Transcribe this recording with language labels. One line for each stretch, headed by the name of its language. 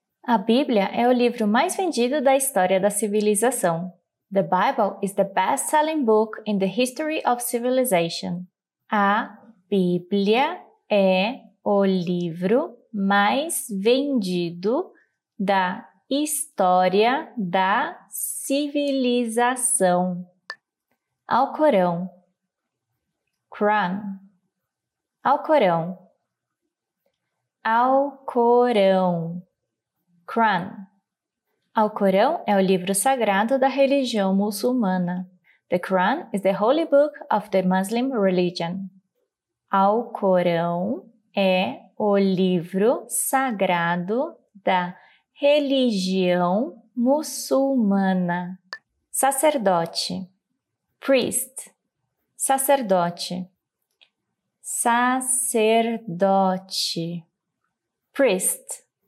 Portuguese: A Bíblia é o livro mais vendido da história da civilização.
English: The Bible is the best-selling book in the history of civilization.
Portuguese: A Bíblia é o livro mais vendido da história da civilização. Alcorão.
English: Quran.
Portuguese: Alcorão. Alcorão.
English: Quran.
Portuguese: Alcorão é o livro sagrado da religião muçulmana.
English: The Quran is the holy book of the Muslim religion.
Portuguese: Alcorão é o livro sagrado da religião muçulmana. Sacerdote.
English: Priest.
Portuguese: Sacerdote. Sacerdote.
English: Priest.